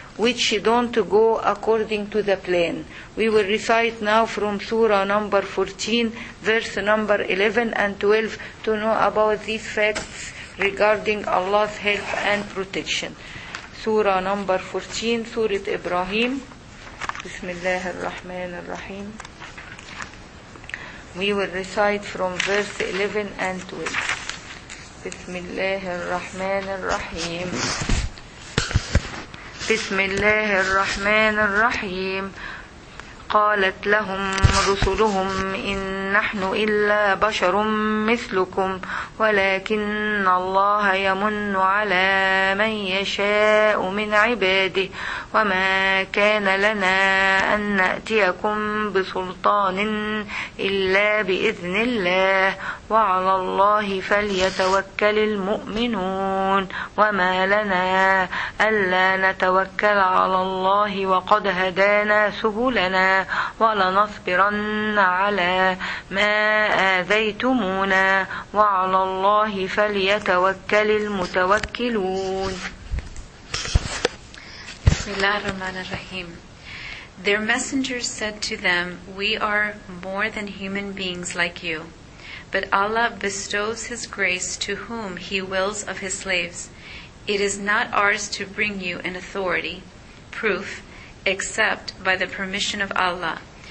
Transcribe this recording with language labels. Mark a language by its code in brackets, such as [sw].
[en] which don't go according to the plan. We will recite now from Surah number 14, verse number 11 and 12 to know about these facts regarding Allah's help and protection. Surah number 14, Surah Ibrahim. [ar] Bismillah ar-Rahman ar-Rahim. [en] We will recite from verse 11 and 12. [ar] Bismillah ar-Rahman ar-Rahim. بسم الله الرحمن الرحيم قالت لهم رسلهم إن نحن إلا بشر مثلكم ولكن الله يمن على من يشاء من عباده وما كان لنا أن نأتيكم بسلطان إلا بإذن الله وعلى الله فليتوكل المؤمنون وما لنا ألا نتوكل على الله وقد هدانا سبلنا ولنصبرن على ما آذيتمونا وعلى الله فليتوكل المتوكلون. بسم الله الرحمن الرحيم. [en] Their messengers said to them, "We are more than human beings like you, but Allah bestows His grace to whom He wills of His slaves. It is not ours to bring you an authority, proof, except by the permission of Allah.